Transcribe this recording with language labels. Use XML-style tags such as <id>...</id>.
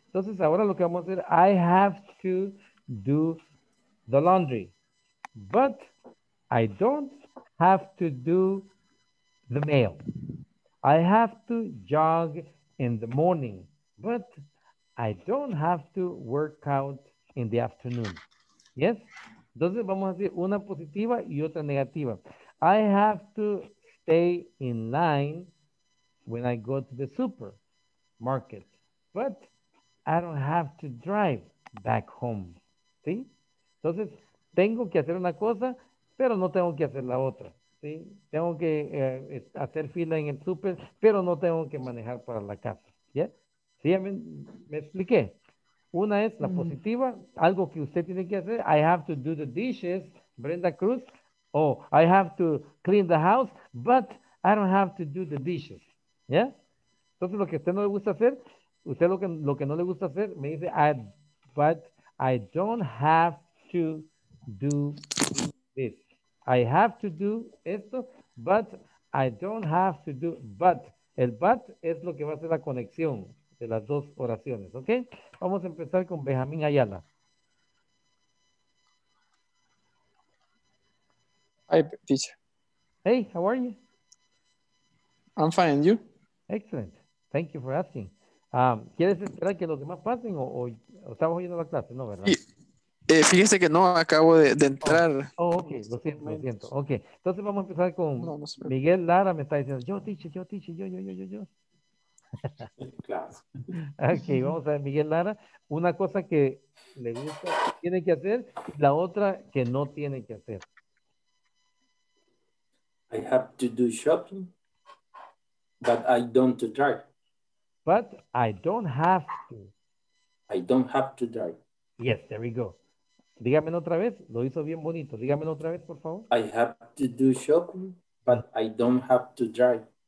<es>Entonces, ahora lo que vamos a hacer,</es> <en>I have to do the laundry, but I don't have to do the mail. I have to jog in the morning, but I don't have to work out in the afternoon. Yes?</en> <es>Entonces, vamos a hacer una positiva y otra negativa.</es> <en>I have to stay in line when I go to the supermarket, but I don't have to drive back home, ¿sí?</en> <es>Entonces, tengo que hacer una cosa, pero no tengo que hacer la otra, ¿sí? Tengo que hacer fila en el súper, pero no tengo que manejar para la casa, ¿ya? ¿Sí? ¿Me expliqué? Una es la positiva, algo que usted tiene que hacer.</es> <en>I have to do the dishes, Brenda Cruz. Oh, I have to clean the house, but I don't have to do the dishes, ¿ya?</en> <es>Entonces, lo que a usted no le gusta hacer... Usted lo que no le gusta hacer, me dice,</es> <en>I have to do</en> <es>esto,</es> <en>but I don't have to do,</en> <es>el but es lo que va a ser la conexión de las dos oraciones, ¿ok? Vamos a empezar con Benjamín Ayala.</es> <en>Hi, teacher. Hey, how are you? I'm fine, and you? Excellent. Thank you for asking.</en> <es>¿Quieres esperar que los demás pasen o estamos oyendo la clase? No, ¿verdad? Sí. Fíjese que no, acabo de entrar. Oh, ok, lo siento. Ok, entonces vamos a empezar con Miguel Lara, me está diciendo, yo, teacher. Claro. Ok, vamos a ver, Miguel Lara, una cosa que le gusta, tiene que hacer, la otra que no tiene que hacer.</es> <en>I have to do shopping, but I don't drive. But I don't have to. I don't have to drive. Yes, there we go.</en> <es>Dígame otra vez. Lo hizo bien bonito. Dígame otra vez, por favor.</es> <en>I have to do shopping, but I don't have to drive.</en>